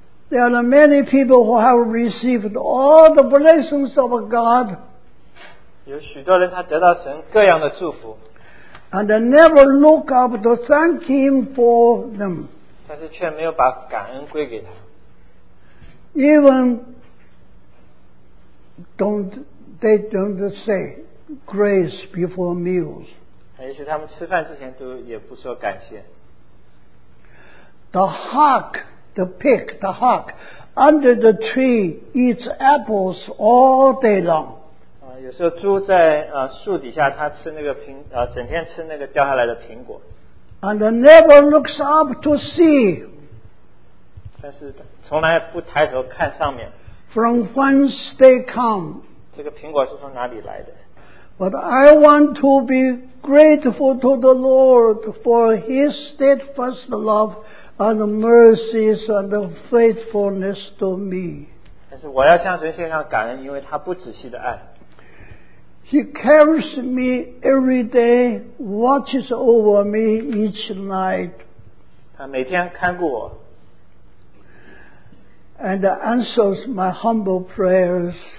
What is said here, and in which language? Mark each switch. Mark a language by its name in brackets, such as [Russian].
[English] There are many people who have received all the blessings of God. [Chinese] 有许多人他得到神各样的祝福。 [English] And they never look up to thank Him for them. [Chinese] 但是却没有把感恩归给他。 [English] Even they don't say grace before meals. [Chinese] 也许他们吃饭之前都也不说感谢。 [English] The hawk, the pig, the hawk under the tree eats apples all day long. [Chinese] 有时候猪在树底下它吃那个苹整天吃那个掉下来的苹果。 [English] And never looks up to see. [Chinese] 但是从来不抬头看上面。 [English] From whence they come. [Chinese] 这个苹果是从哪里来的。 [English] But I want to be grateful to the Lord for His steadfast love and mercies and faithfulness to me. [Chinese] 但是我要向神献上感恩，因为他不止息的爱。 [English] He carries me every day, watches over me each night. [Chinese] 他每天看顾我。 [English] And answers my humble prayers.